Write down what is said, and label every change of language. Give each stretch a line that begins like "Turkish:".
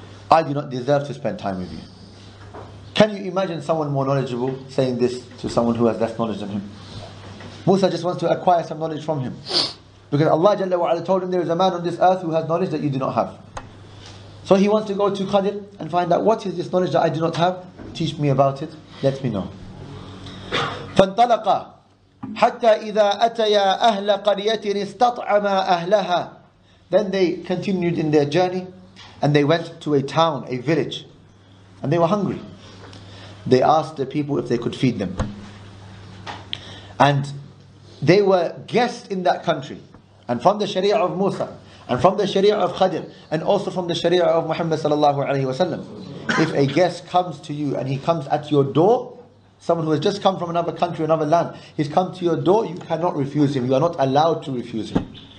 English: I do not deserve to spend time with you. Can you imagine someone more knowledgeable saying this to someone who has less knowledge than him? Musa just wants to acquire some knowledge from him. Because Allah Jalla wa Ala told him there is a man on this earth who has knowledge that you do not have. So he wants to go to Khadir and find out, what is this knowledge that I do not have? Teach me about it. Let me know.
Arabic: فانطلق حتى إذا أتيا أهل قرية استطعما أهلها.
English: Then they continued in their journey and they went to a town, a village, and they were hungry. They asked the people if they could feed them. And they were guests in that country. And from the Sharia of Musa, and from the Sharia of Khadir, and also from the Sharia of Muhammad sallallahu alayhi wa sallam, if a guest comes to you and he comes at your door, someone who has just come from another country, another land, he's come to your door, you cannot refuse him. You are not allowed to refuse him.